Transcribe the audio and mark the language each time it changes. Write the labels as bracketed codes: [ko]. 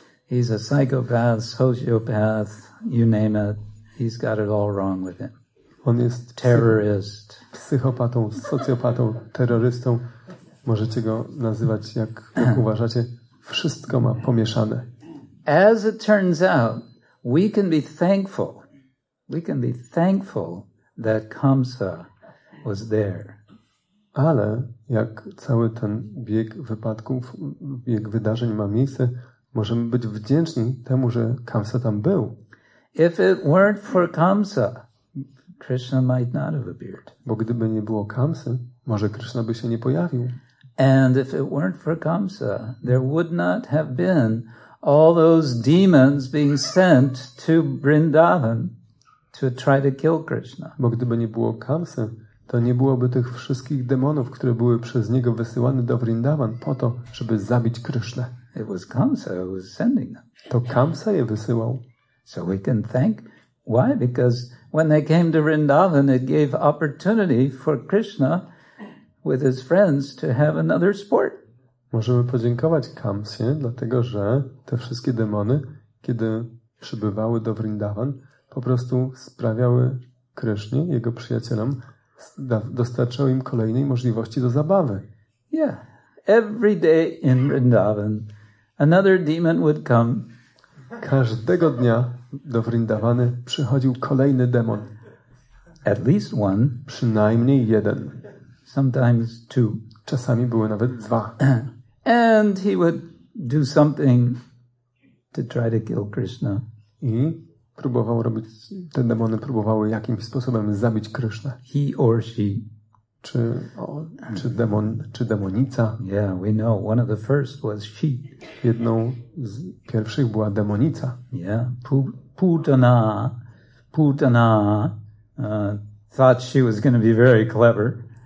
[en] He's a psychopath, sociopath, you name it. He's got it all wrong with him. [pl] On jest [en] terrorist. [pl] Psychopatą, socjopatą, terrorystą. Możecie go nazywać jak uważacie. Wszystko ma pomieszane. [en] As it turns out, we can be thankful. We can be thankful that Kamsa was there. [pl] Ale jak cały ten bieg wypadków, bieg wydarzeń ma miejsce, możemy być wdzięczni temu, że Kamsa tam był. [en] If it weren't for Kamsa, Krishna might not have appeared. [pl] Bo gdyby nie było Kamsy, może Krishna by się nie pojawił. [en] And if it weren't for Kamsa, there would not have been all those demons being sent to Vrindavan to try to kill Krishna. [pl] Bo gdyby nie było Kamsy, to nie byłoby tych wszystkich demonów, które były przez niego wysyłane do Vrindavan po to, żeby zabić Krishnę. [en] It was Kamsa who was sending them. [pl] To Kamsa je wysyłał. [en] So we can thank. Why? Because when they came to Vrindavan, it gave opportunity for Krishna with his friends to have another sport. [pl] Możemy podziękować Kamsie, dlatego że te wszystkie demony, kiedy przybywały do Vrindavan, po prostu sprawiały Krishnie, jego przyjacielom, dostarczały im kolejnej możliwości do zabawy. [en] Yeah. Every day in Vrindavan, another demon would come. [pl] Każdego dnia do Vrindavany przychodził kolejny demon. [en] At least one. [pl] Przynajmniej jeden. [en] Sometimes two. [pl] Czasami były nawet dwa. [en] And he would do something to try to kill Krishna. [pl] I próbował robić, te demony próbowały jakimś sposobem zabić Krishna. [en] He or she. [pl] Czy demon, czy demonica? [en] Yeah, we know. One of the first was she. [pl] Jedną z pierwszych była demonica. [en] Yeah, Putana. Putana thought she was going to be very clever.